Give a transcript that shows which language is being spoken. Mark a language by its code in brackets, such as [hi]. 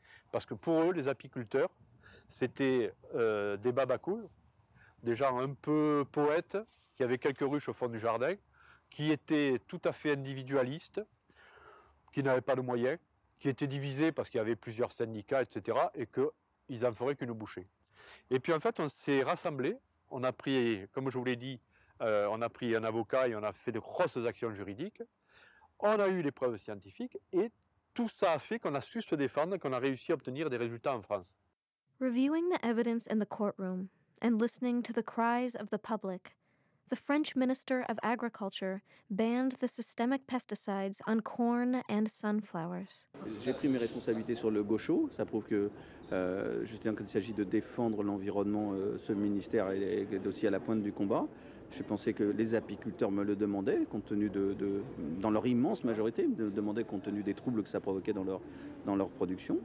[fr] Parce que pour eux, les apiculteurs, c'était des babacools, des gens un peu poètes, qui avaient quelques ruches au fond du jardin, qui étaient tout à fait individualistes, qui n'avaient pas de moyens, qui étaient divisés parce qu'il y avait plusieurs syndicats, etc., et qu'ils n'en feraient qu'une bouchée. Et puis en fait, on s'est rassemblés, on a pris, comme je vous l'ai dit, on a pris un avocat et on a fait de grosses actions juridiques, on a eu les preuves scientifiques et tout ça a fait qu'on a su se défendre, qu'on a réussi à obtenir des résultats en France. [en] Reviewing the evidence in the courtroom and listening to the cries of the public, the French Minister of Agriculture banned the systemic pesticides on corn and sunflowers. [fr] J'ai pris mes responsabilités sur le gaucho. Ça prouve que, justement, quand il s'agit de défendre l'environnement, ce ministère est aussi à la pointe du combat. J'ai pensé que les apiculteurs me le demandaient, compte tenu de dans leur immense majorité, me le demandaient compte tenu des troubles que ça provoquait dans leur production.